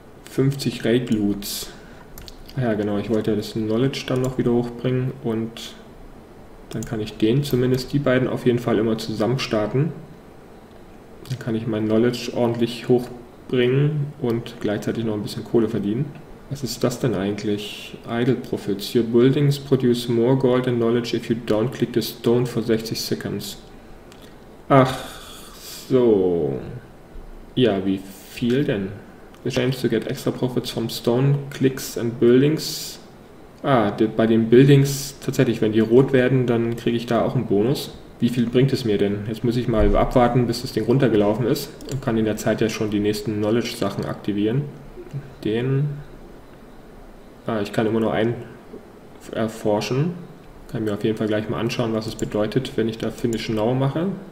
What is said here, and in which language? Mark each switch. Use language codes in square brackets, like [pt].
[de] 50 Raid Loots. Ja genau, ich wollte ja das Knowledge dann noch wieder hochbringen, und dann kann ich den, zumindest die beiden, auf jeden Fall immer zusammen starten. Dann kann ich mein Knowledge ordentlich hochbringen und gleichzeitig noch ein bisschen Kohle verdienen. Was ist das denn eigentlich? Idle Profits. [en] Your buildings produce more gold and knowledge if you don't click the stone for 60 seconds. [de] Ach so. Ja, wie viel denn? [en] The chance to get extra profits from stone clicks and buildings. [de] Ah, bei den Buildings tatsächlich, wenn die rot werden, dann kriege ich da auch einen Bonus. Wie viel bringt es mir denn? Jetzt muss ich mal abwarten, bis das Ding runtergelaufen ist. Und kann in der Zeit ja schon die nächsten Knowledge-Sachen aktivieren. Den. Ah, ich kann immer nur einen erforschen. Kann mir auf jeden Fall gleich mal anschauen, was es bedeutet, wenn ich da Finish Now mache.